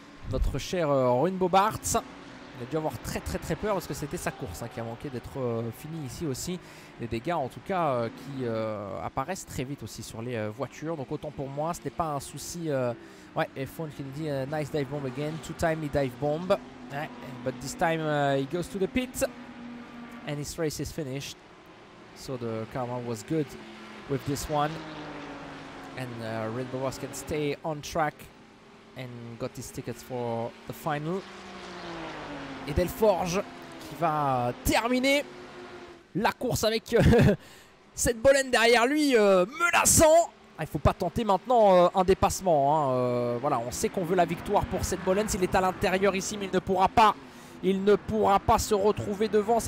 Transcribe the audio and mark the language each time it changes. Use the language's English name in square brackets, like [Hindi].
[French] Notre cher Ruin Bobarts. Il a dû avoir très peur parce que c'était sa course qui a manqué d'être fini ici aussi. Les dégâts en tout cas qui apparaissent très vite aussi sur les voitures. Donc autant pour moi, ce n'est pas un souci. Ouais, et Fon qui nous dit [English] nice dive bomb again. Two time he dive bomb. Ouais, but this time he goes to the pit. And his race is finished. So the karma was good with this one. and Red Bull Ross can stay on track and got his tickets for the final. [French] Et Delforge qui va terminer la course avec cette Bolen derrière lui menaçant. Ah, il faut pas tenter maintenant un dépassement. Hein. Voilà, on sait qu'on veut la victoire pour cette Bolen. S'il est à l'intérieur ici, mais il ne pourra pas se retrouver devant.